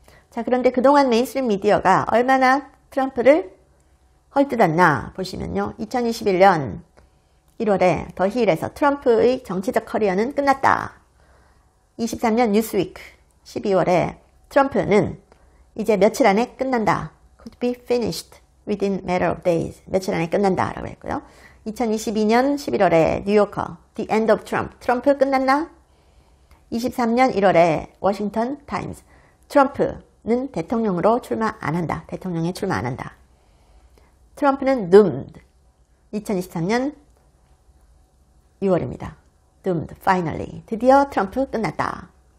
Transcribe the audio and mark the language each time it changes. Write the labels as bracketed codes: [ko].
[ko] 자, 그런데 그동안 메인스트림 미디어가 얼마나 트럼프를 헐뜯었나 보시면요. 2021년 1월에 더 힐에서 트럼프의 정치적 커리어는 끝났다. 23년 뉴스위크 12월에 트럼프는 이제 며칠 안에 끝난다. [en] Could be finished within matter of days. [ko] 며칠 안에 끝난다라고 했고요. 2022년 11월에 뉴요커 The End of Trump. 트럼프 끝났나? 23년 1월에 워싱턴 타임스. 트럼프는 대통령으로 출마 안 한다. 대통령에 출마 안 한다. 트럼프는 doomed. 2023년 6월입니다. [en] Doomed, finally. [ko] 드디어 트럼프 끝났다.